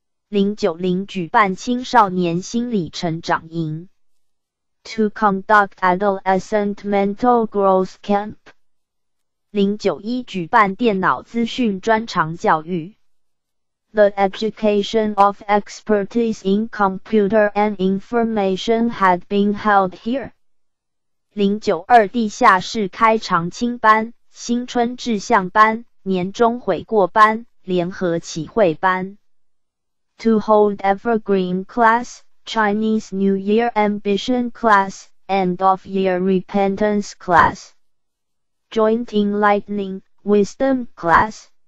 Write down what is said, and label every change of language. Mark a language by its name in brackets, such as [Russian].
[Chinese] 090举办青少年心理成长营。 [English] To conduct adolescent mental growth camp. [Chinese] 091举办电脑资讯专长教育。 [English] The education of expertise in computer and information had been held here. [Chinese] 092地下室开长青班、新春志向班、年终悔过班、联合启会班。 [English] To hold Evergreen Class, Chinese New Year Ambition Class, End of Year Repentance Class, Joint Enlightening, Wisdom Class.